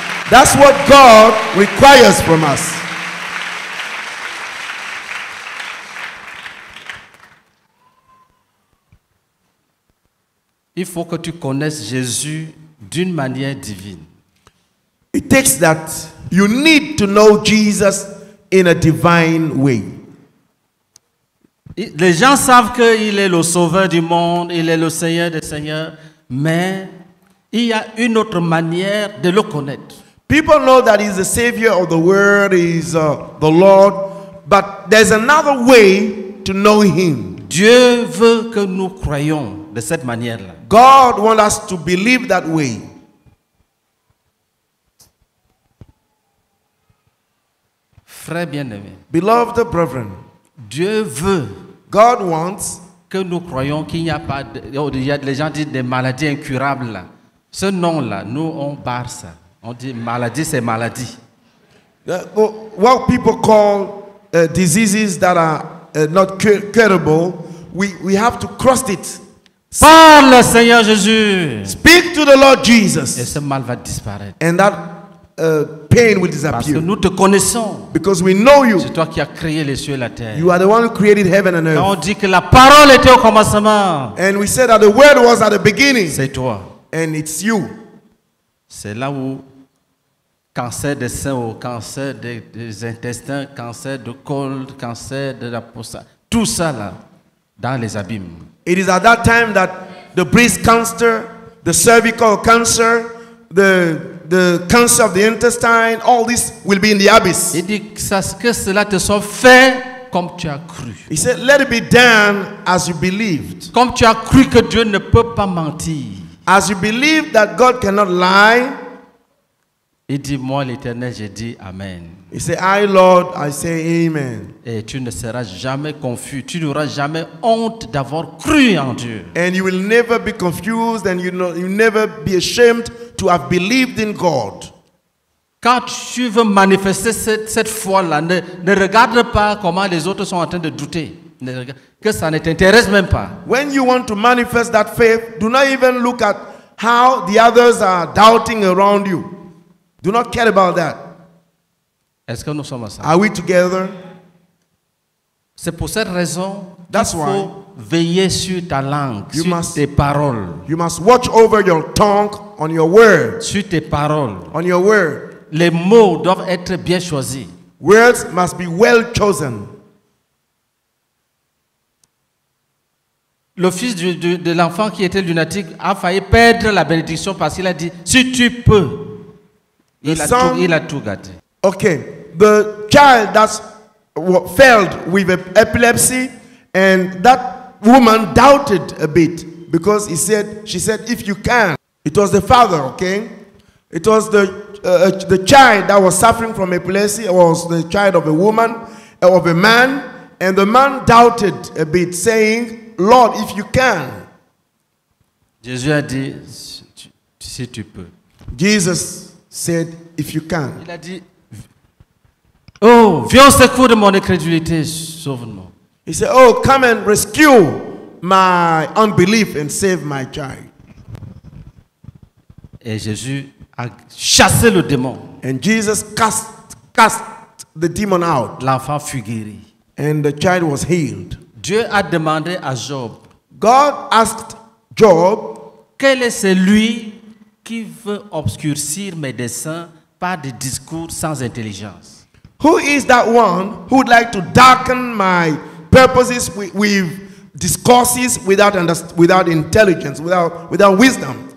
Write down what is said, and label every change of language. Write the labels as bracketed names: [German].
[English] That's what God requires from us. [French] Il faut que tu connaisses Jésus d'une manière divine. [English] It takes that. You need to know Jesus in a divine way. [French] Les gens savent qu'il est le sauveur du monde, il est le Seigneur des Seigneurs, mais il y a une autre manière de le connaître. [English] People know that he's the savior of the world, he's the Lord, but there's another way to know him. [French] Dieu veut que nous croyions de cette manière-là. [English] God wants us to believe that way. [French] Frères bien-aimés, [English] beloved brethren, [French] Dieu veut, [English] God wants, [French] que nous croyons qu'il n'y a pas de, y a les gens disent des maladies incurables là. Ce nom-là, nous on barre ça. On dit maladie, c'est maladie. [English] What people call diseases that are not curable, we have to cross it. [French] Parle, Seigneur Jésus. [English] Speak to the Lord Jesus. [French] Et ce mal va disparaître. [English] And that pain will disappear. [French] Parce que nous te connaissons. [English] Because we know you. [French] C'est toi qui as créé les cieux et la terre. [English] You are the one who created heaven and earth. [French] Quand on dit que la parole était au commencement. [English] And we said that the word was at the beginning. [French] C'est toi. [English] And it's you. [French] C'est là où cancer des seins, cancer des intestins, cancer de col, cancer de la prostate, tout ça là, dans les abîmes. [English] It is at that time that the breast cancer, the cervical cancer, the cancer of the intestine, all this will be in the abyss. [French] Il dit que cela te soit fait comme tu as cru. [English] He said, let it be done as you believed. [French] Comme tu as cru que Dieu ne peut pas mentir. [English] As you believe that God cannot lie, [French] il dit, moi l'Éternel, je dis amen. [English] He said, I Lord, I say amen. [French] Et tu ne seras jamais confus, tu n'auras jamais honte d'avoir cru en Dieu. [English] And you will never be confused and you never be ashamed to have believed in God. [French] Quand tu veux manifester cette foi-là, ne regarde pas comment les autres sont en train de douter. Que ça ne t'intéresse même pas. [English] When you want to manifest that faith, do not even look at how the others are doubting around you. Do not care about that. [French] Est-ce que nous sommes ensemble? [English] Are we together? [French] C'est pour cette raison qu'il faut veiller sur ta langue, tes paroles. [English] You must watch over your tongue on your word. [French] Sur tes paroles. [English] On your word. [French] Les mots doivent être bien choisis. [English] Words must be well chosen. [French] Le fils de l'enfant qui était lunatique a failli perdre la bénédiction parce qu'il a dit, si tu peux, il a tout gâté. [English] Okay, the child that failed with epilepsy and that woman doubted a bit because she said, if you can. It was the father, okay? It was the child that was suffering from epilepsy. It was the child of a woman, of a man. And the man doubted a bit, saying, Lord, if you can. [French] Jésus a dit, si tu peux. [English] Jesus said, if you can. [French] Il a dit, oh, viens au secours de mon incrédulité, sauve-moi. [English] He said, oh, come and rescue my unbelief and save my child. [French] Et Jésus a chassé le démon. [English] And Jesus cast the demon out. [French] L'enfant fut guéri. [English] And the child was healed. [French] Dieu a demandé à Job. [English] God asked Job, [French] quel est celui qui veut obscurcir mes desseins par des discours sans intelligence? [English] Who is that one who would like to darken my purposes with discourses without intelligence, without wisdom?